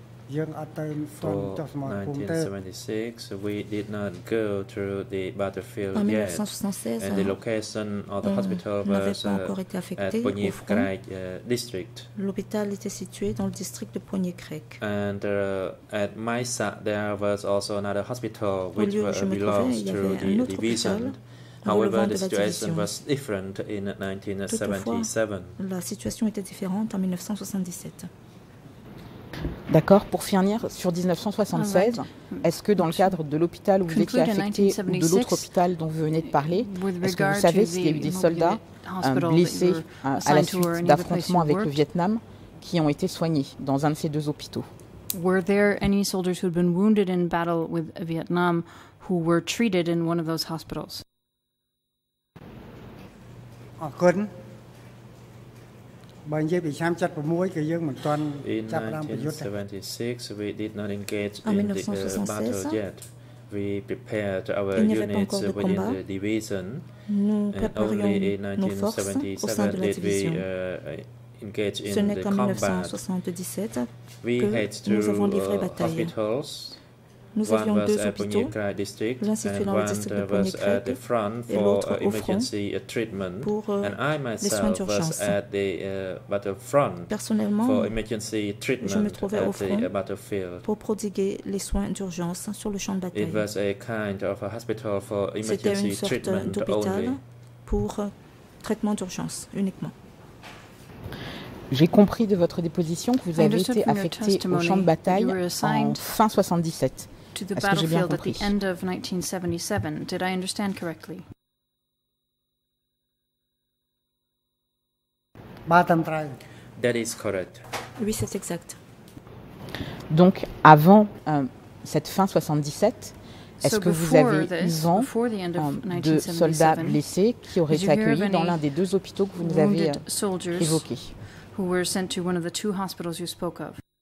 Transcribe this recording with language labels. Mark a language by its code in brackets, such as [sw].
[en] 1976, we did not go to the battlefield yet, and the location of the hospital was at Poignet-Crec district. [fr] L'hôpital était situé dans le district de Poignet-Crec. [en] And at Maïssa, there was also another hospital which belongs to the division. However, the situation was different in 1977. [fr] La situation était différente en 1977. D'accord. Pour finir, sur 1976, est-ce que dans le cadre de l'hôpital où vous étiez affecté ou de l'autre hôpital dont vous venez de parler, est-ce que vous savez s'il y a eu des soldats blessés à la suite d'affrontements avec le Vietnam qui ont été soignés dans un de ces deux hôpitaux? [en] Were there any soldiers who had been wounded in battle with Vietnam who were treated in one of those hospitals? In 1976, we did not engage in the battle yet. We prepared our units within the division. And only in 1977 did we engage in the combat. We had two hospitals. [fr] Nous [en] one [fr] avions deux [en] was at Punyekra district, and one was at the front for emergency treatment. And I myself was at the battlefront for emergency treatment at the battlefield. [fr] Pour prodiguer les soins d'urgence sur le champ de bataille. [en] It was a kind of a hospital for emergency treatment only. [fr] Pour traitement d'urgence uniquement. J'ai compris de votre déposition que vous avez été affecté au champ de bataille en fin 77. [en] To the battlefield at the end of 1977. Did I understand correctly? That is correct. [fr] Oui, c'est exact. Donc, avant cette fin 77, est-ce que vous avez vent de soldats blessés qui auraient été accueillis dans l'un des deux hôpitaux que vous nous avez évoqués? [en] Who were sent to one of the two hospitals you spoke of?